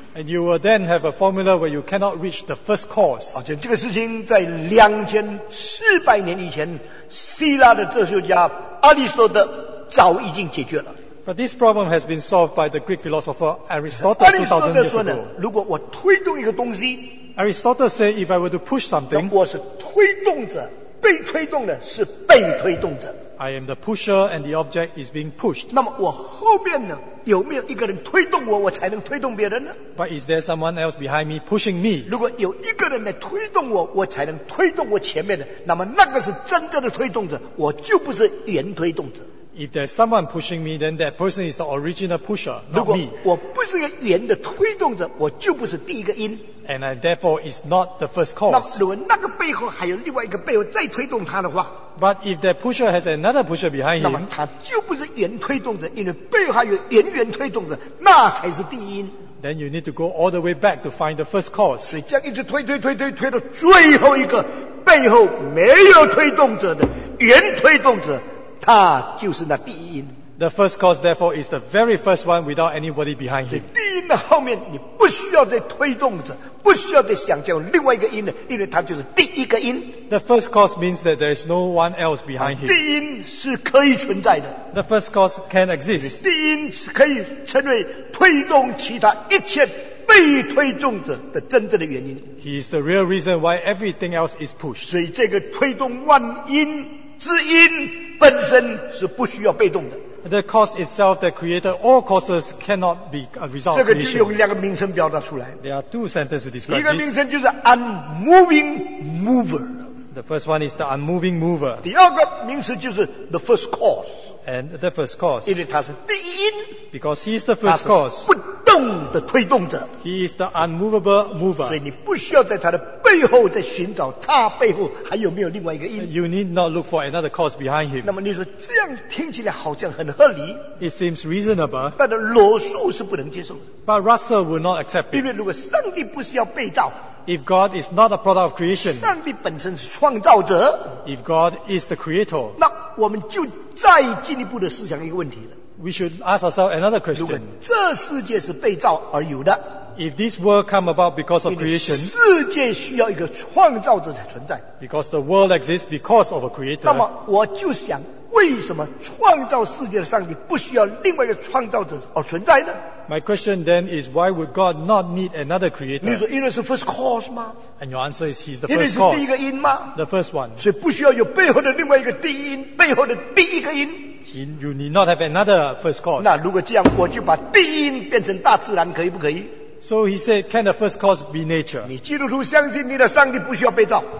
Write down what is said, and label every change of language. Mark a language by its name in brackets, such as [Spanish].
[English] And you will then have a formula where you cannot reach the first cause. [Chinese] 而且这个事情在2400年以前，希腊的哲学家阿里士多德早已经解决了。 [English] But this problem has been solved by the Greek philosopher Aristotle 2000 years ago. [Chinese] 阿里士多德说呢，如果我推动一个东西 [English] ，Aristotle said if I were to push something, [Chinese] 我是推动者，被推动的是被推动者。 [English] I am the pusher and the object is being pushed. [Chinese] 那么我后面呢有没有一个人推动我我才能推动别人呢 [English] But is there someone else behind me pushing me? [Chinese] 如果有一个人来推动我我才能推动我前面的那么那个是真正的推动者我就不是原推动者 [English] If there's someone pushing me then that person is the original pusher, not me. [Chinese] 如果我不是原的推动者我就不是第一个因 [English] And I therefore is not the first cause. [Chinese] 那如果那个背后还有另外一个背后再推动他的话 [English] But if that pusher has another pusher behind him, [Chinese] 那么他就不是原推动者，因为背后还有原原推动者，那才是第一因。 [English] Then you need to go all the way back to find the first cause. [Chinese] 所以这样一直推推推推推到最后一个背后没有推动者的原推动者，他就是那第一因。 [English] The first cause, therefore, is the very first one without anybody behind him. [Chinese] 第一因的后面你不需要再推动者。不需要再想象另外一个因了，因为它就是第一个因。 [English] The first cause means that there is no one else behind him. [Chinese] 第一因是可以存在的。 [English] The first cause can exist. [Chinese] 第一因是可以成为推动其他一切被推动者的真正的原因。 [English] He is the real reason why everything else is pushed. [Chinese] 所以这个推动万因之因本身是不需要被动的。 [English] The cause itself that created all causes cannot be a result of creation. [Chinese] 这个就用两个名称表达出来。 [English] There are two sentences to describe [Chinese] this. 一个名称就是 [English] unmoving mover. The first one is the unmoving mover. [Chinese] 第二个名词就是 [English] the first cause. And the first cause. [Chinese] 因为它是第一因。 [English] Because he is the first cause. [Chinese] 不动的推动者。 [English] He is the unmovable mover. [Chinese] 所以你不需要在他的背后再寻找他背后还有没有另外一个意义。 [English] You need not look for another cause behind him. [Chinese] 那么你说这样听起来好像很合理。 [English] It seems reasonable. [Chinese] 但罗素是不能接受的。 [English] But Russell will not accept it. [Chinese] 因为如果上帝不是要被造。 [English] If God is not a product of creation, [Chinese] 上帝本身是创造者。 [English] If God is the creator, [Chinese] 那我们就再进一步的思想一个问题了。 [English] We should ask ourselves another question. [Chinese] 如果这世界是被造而有的。 [English] If this world come about because of creation, [Chinese] 世界需要一个创造者才存在。 [English] Because the world exists because of a creator. [Chinese] 那么我就想，为什么创造世界的上帝不需要另外一个创造者而存在呢？ [English] My question then is, why would God not need another creator? [Chinese] 你说因为是 first cause 吗？ [English] And your answer is, he's the first cause. [Chinese] 因为是第一个因吗？ [English] The first one. [Chinese] 所以不需要有背后的另外一个第一因，背后的第一个因。 [English] You need not have another first cause. [Chinese] 那如果这样，我就把第一因变成大自然，可以不可以？ [English] So he said, can the first cause be nature? [Chinese] 你基督徒相信你的上帝不需要被造。